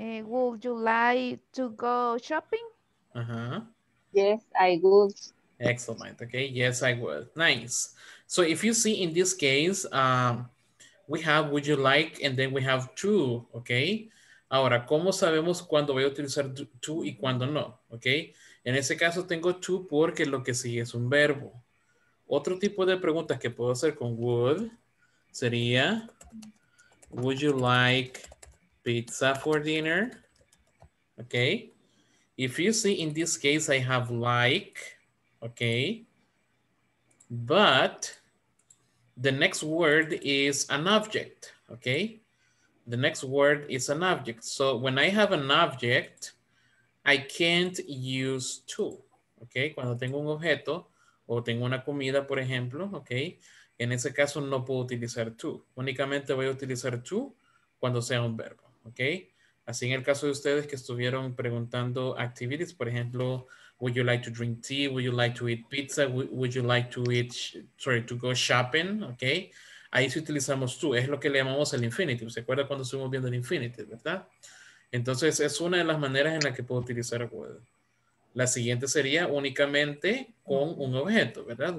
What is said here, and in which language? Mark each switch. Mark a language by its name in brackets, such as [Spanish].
[English] Would you like to go shopping? Uh-huh. Yes, I would. Excellent, okay. Yes, I would. Nice. So if you see in this case, we have would you like, and then we have to, okay? [Spanish] Ahora, ¿cómo sabemos cuándo voy a utilizar to y cuándo no, okay? En ese caso tengo to porque lo que sigue es un verbo. Otro tipo de preguntas que puedo hacer con would sería, [English] would you like pizza for dinner, okay? If you see in this case, I have like, okay, but the next word is an object, okay? The next word is an object. So when I have an object, I can't use to, okay? [Spanish] Cuando tengo un objeto o tengo una comida, por ejemplo, okay? En ese caso no puedo utilizar to. Únicamente voy a utilizar to cuando sea un verbo, okay? Así en el caso de ustedes que estuvieron preguntando activities, por ejemplo, [English] would you like to drink tea? Would you like to eat pizza? Would you like to eat, sorry, to go shopping? [Spanish] Okay. Ahí sí utilizamos tú. Es lo que le llamamos el infinitive. ¿Se acuerda cuando estuvimos viendo el infinitive, verdad? Entonces, es una de las maneras en la que puedo utilizar would. La siguiente sería únicamente con un objeto, ¿verdad?